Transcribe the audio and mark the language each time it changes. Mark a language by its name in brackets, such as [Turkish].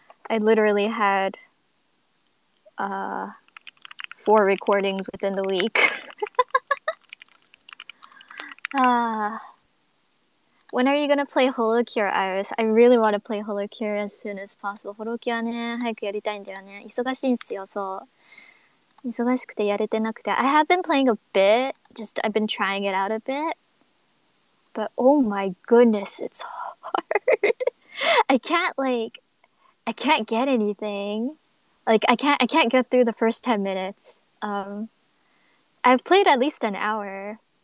[English] I literally had four recordings within the week. when are you gonna play Holocure, Iris? I really want to play Holocure as soon as possible. [Japanese] Holocure はね、早くやりたいんだよね。忙しいんすよ、そう。忙しくてやれてなくて。 [English] I have been playing a bit, just I've been trying it out a bit. But oh my goodness, it's hard. I can't get anything. Like, I can't get through the first 10 minutes. I've played at least an hour.